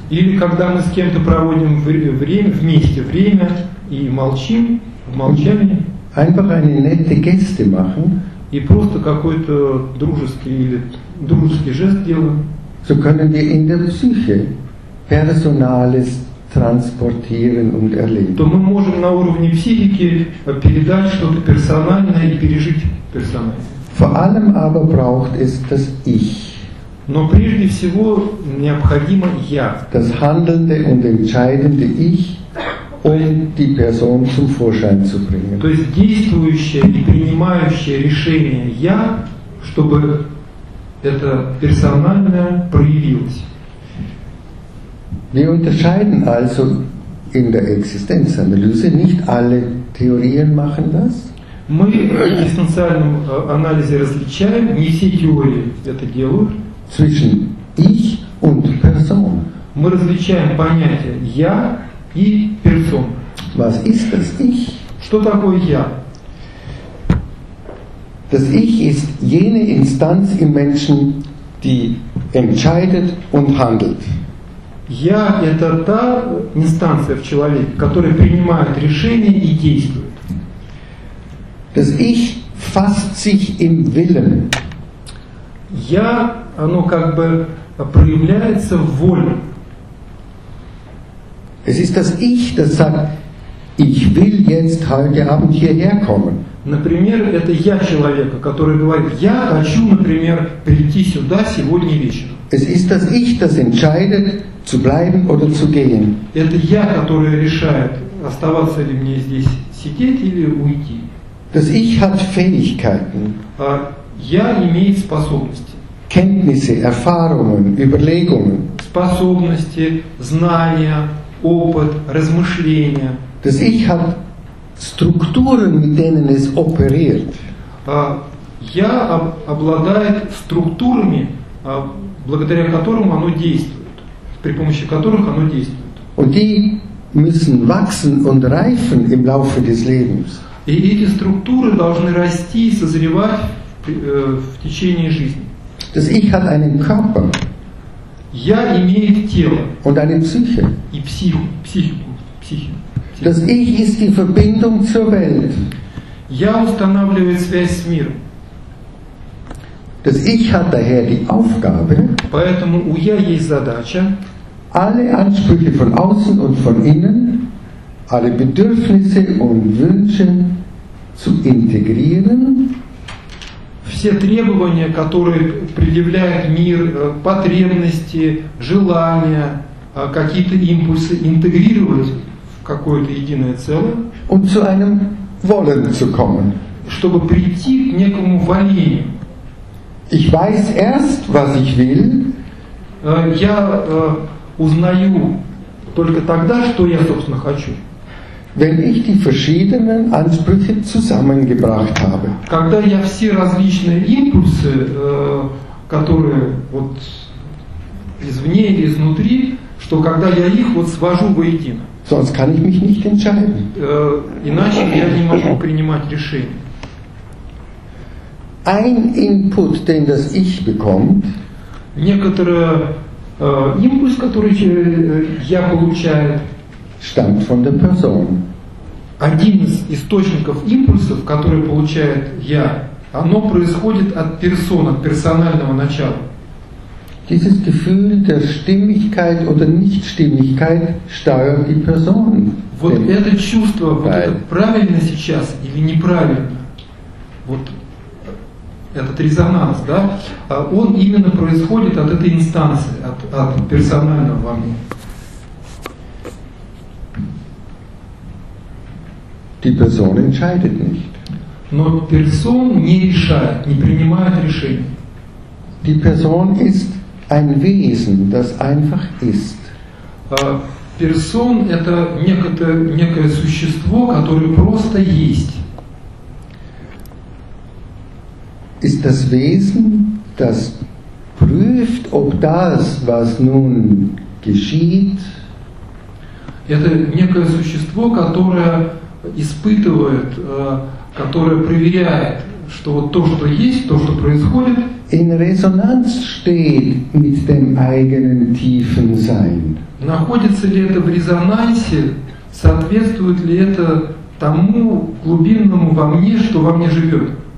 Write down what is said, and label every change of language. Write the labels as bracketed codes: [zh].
[ru] Или когда мы с кем-то проводим время, вместе время и молчим в молчании. [de] einfach eine nette Geste machen, [ru] и просто какой-то дружеский или дружеский жест делаем, [de] so können wir in der Psyche Personales transportieren und erleben. [ru] То мы можем на уровне психики передать что-то персональное и пережить персональное. [de] Vor allem aber braucht es das Ich. [ru] Но прежде всего необходимо я. [de] Das handelnde und entscheidende Ich, um die Person zum Vorschein zu bringen. [ru] То есть действующее и принимающее решение я, чтобы это персональное проявилось. [de] Wir unterscheiden also in der Existenzanalyse, nicht alle Theorien machen das. [ru] Мы в экзистенциальном анализе различаем, не все теории это делают. [de] Zwischen ich und Person. [ru] Мы различаем понятие я и Person. [de] Was ist das Ich? [ru] Что такое я? [de] Das Ich ist jene Instanz im Menschen, die entscheidet und handelt. [ru] Я это та инстанция в человеке, которая принимает решения и действует. [de] Das Ich fasst sich im Willen. [ru] Я оно как бы проявляется в воле. [de] Es ist das Ich, das sagt, ich will jetzt heute Abend hierher kommen. [ru] Например, это я человека, который говорит, я хочу, например, прийти сюда сегодня вечером. [de] Es ist das Ich, das entscheidet, zu bleiben oder zu gehen. [ru] Это я, которое решает, оставаться ли мне здесь сидеть или уйти. [de] Das Ich hat Fähigkeiten. [ru] Я имею способности. [de] Kenntnisse, Erfahrungen, Überlegungen. [ru] Способности, знания, опыт, размышления. [de] Das Ich hat Strukturen, mit denen es operiert. [ru] Я обладает структурами, благодаря которым оно действует, при помощи которых оно действует. [de] Und die müssen wachsen und reifen im Laufe des Lebens. [ru] И эти структуры должны расти и созревать в течение жизни. [de] Das Ich hat einen Körper. [ru] Я имею тело. [de] Und eine Psyche. [ru] И психику. [de] Das Ich ist die Verbindung zur Welt. [ru] Я устанавливаю связь с миром. [de] Das Ich hat daher die Aufgabe. [ru] Поэтому у я есть задача. [de] Alle Ansprüche von außen und von innen, alle Bedürfnisse und Wünsche zu integrieren. [ru] Все требования, которые предъявляет мир, потребности, желания, какие-то импульсы интегрировать в какое-то единое целое. [de] Und zu einem Wollen zu kommen. [ru] Чтобы прийти к некому волению. [de] Ich weiß erst, was ich will. [ru] Я узнаю только тогда, что я, собственно, хочу. [de] Wenn ich die verschiedenen Ansprüche zusammengebracht habe. [ru] Когда я все различные импульсы, которые вот извне или изнутри, что когда я их вот свожу воедино. [de] Sonst kann ich mich nicht entscheiden. [ru] Иначе я не могу принимать решение. [de] Ein Input, den das Ich bekommt. [ru] Некоторый импульс, который я получаю, [de] stammt von der Person. [ru] Один из источников импульсов, который получает я, оно происходит от персон, от персонального начала. [de] Dieses Gefühl der Stimmigkeit oder Nichtstimmigkeit steuert die Person. [ru] Вот это чувство, вот это правильно сейчас или неправильно, вот этот резонанс, да, он именно происходит от этой инстанции, от персонального во мне. [de] Die Person entscheidet nicht. [ru] Но Person не решает, не принимает решений. [de] Die Person ist ein Wesen, das einfach ist. [ru] Person это некое существо, которое просто есть. [de] Ist das Wesen, das prüft, ob das, was nun geschieht, [ru] это некое существо, которое испытывает, которое проверяет, что вот то, что есть, то, что происходит, [de] in Resonanz steht mit dem eigenen tiefen Sein. [ru] Находится ли это в резонансе, соответствует ли это тому глубинному во мне, что во мне живет.